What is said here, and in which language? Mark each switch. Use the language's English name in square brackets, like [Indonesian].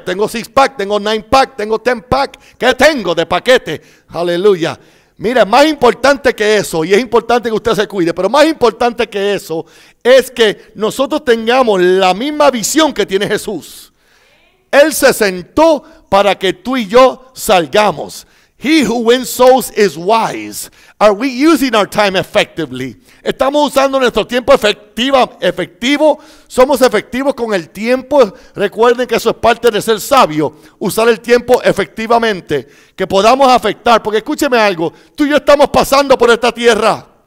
[Spanish] Tengo 6-pack, tengo 9-pack, tengo 10-pack. ¿Qué tengo de paquete? Aleluya. Mira, más importante que eso, y es importante que usted se cuide, pero más importante que eso es que nosotros tengamos la misma visión que tiene Jesús. Él se sentó para que tú y yo salgamos. [English] He who wins souls is wise. Are we using our time effectively? [Spanish] ¿Estamos usando nuestro tiempo efectivo? ¿Somos efectivos con el tiempo? Recuerden que eso es parte de ser sabio. Usar el tiempo efectivamente. Que podamos afectar. Porque escúcheme algo. Tú y yo estamos pasando por esta tierra.